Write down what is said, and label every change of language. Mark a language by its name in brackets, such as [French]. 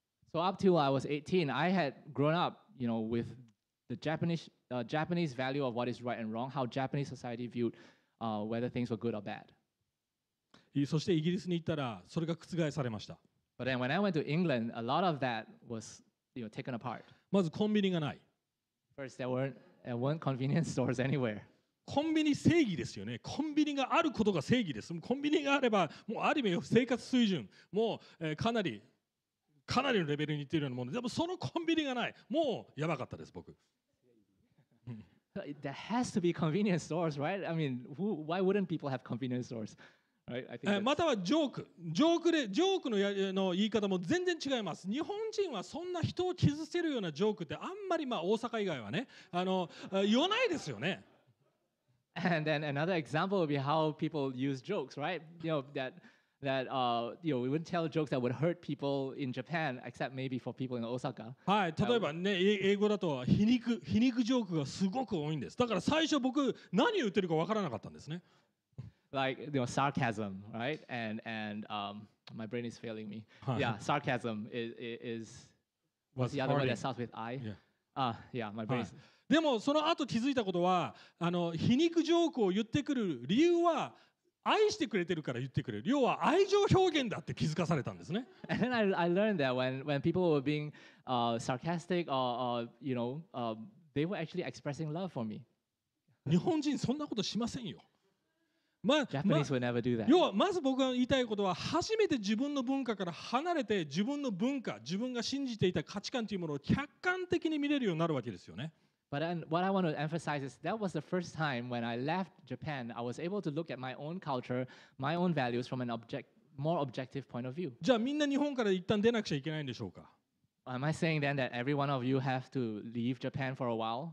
[English] So up till I was 18, I had grown up, you know, with the Japanese value of what is right and wrong, how Japanese society viewed whether things were good or bad. [Japanese] そしてイギリスに行ったらそれが覆されました。 [English] But then when I went to England, a lot of that was, you know, taken apart. [Japanese] まずコンビニがない。 [English] First, there weren't convenience stores anywhere. [Japanese] コンビニ正義ですよね。コンビニがあることが正義です。コンビニがあれば、もうある意味生活水準もうかなりのレベルにいっているようなもので、でもそのコンビニがない。もうやばかったです、僕。 [English] There has to be convenience stores, right? I mean, why wouldn't people have convenience stores? Right? I think [Japanese] またはジョークの言い方も全然違います。日本人はそんな人を傷つけるようなジョークってあんまり、まあ大阪以外はね、言わないですよね。 [English] And then another example would be how people use jokes, right? You know, that we wouldn't tell jokes that would hurt people in Japan, except maybe for people in Osaka. [Japanese] はい、例えばね、英語だと皮肉ジョークがすごく多いんです。だから最初僕何を言ってるか分からなかったんですね。 [English] Like, you know, sarcasm, right? And my brain is failing me. Yeah, sarcasm is what's the other word that starts with I? Yeah. My brain is...、 [Japanese] はい、でもその後気づいたことは、皮肉ジョークを言ってくる理由は愛してくれてるから言ってくれる。要は愛情表現だって気づかされたんですね。 [English] And then I learned that when people were being sarcastic or they were actually expressing love for me. [Japanese] 日本人そんなことしませんよ。 [English] Japanese would never do that. [Japanese] 要はまず僕が言いたいことは、初めて自分の文化から離れて自分の文化、自分が信じていた価値観というものを客観的に見れるようになるわけですよね。 [English] But then what I want to emphasize is that was the first time when I left Japan, I was able to look at my own culture, my own values from an more objective point of view. [Japanese] じゃあみんな日本から一旦出なくちゃいけないんでしょうか? [English] Am I saying then that every one of you have to leave Japan for a while?